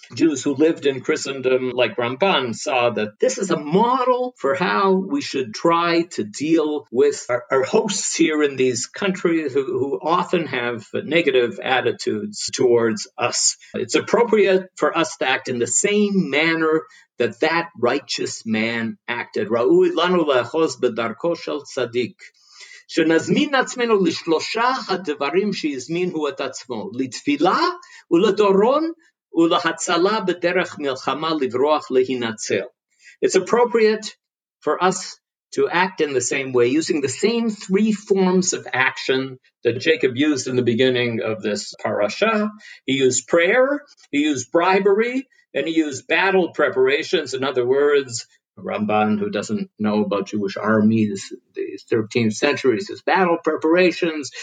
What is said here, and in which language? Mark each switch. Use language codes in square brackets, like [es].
[en] Jews who lived in Christendom, like Ramban, saw that this is a model for how we should try to deal with our hosts here in these countries who often have negative attitudes towards us. It's appropriate for us to act in the same manner that that righteous man acted. [he] Ra'ui lanu la'achoz bedarko shel tzadik. שנזמין עצמנו לשלושה הדברים שיזמין הוא את עצמו, לתפילה ולדורון ולהצלה בדרך מלחמה לברוח להינצל. [en] It's appropriate for us to act in the same way, using the same three forms of action that Jacob used in the beginning of this parasha. He used prayer, he used bribery, and he used battle preparations. In other words, Ramban, who doesn't know about Jewish armies, the 13th century, says battle preparations.